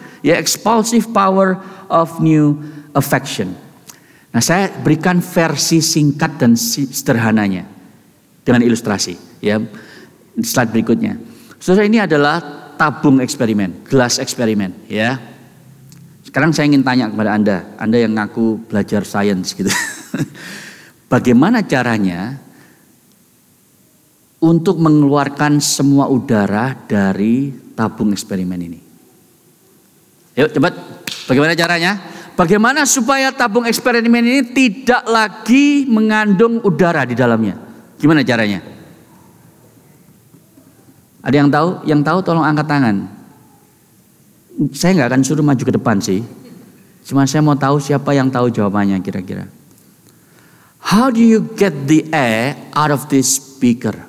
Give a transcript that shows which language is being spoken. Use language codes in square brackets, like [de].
[en] Ya, Expulsive Power of New Affection. [id] Nah, saya berikan versi singkat dan sederhananya dengan ilustrasi, ya. Slide berikutnya. Saudara, ini adalah tabung eksperimen, gelas eksperimen, ya. Sekarang saya ingin tanya kepada Anda, Anda yang ngaku belajar sains gitu. Bagaimana caranya untuk mengeluarkan semua udara dari tabung eksperimen ini? Yuk, cepat. Bagaimana caranya? Bagaimana supaya tabung eksperimen ini tidak lagi mengandung udara di dalamnya? Gimana caranya? Ada yang tahu? Yang tahu tolong angkat tangan. Saya nggak akan suruh maju ke depan sih. Cuma saya mau tahu siapa yang tahu jawabannya kira-kira. [en] How do you get the air out of this speaker?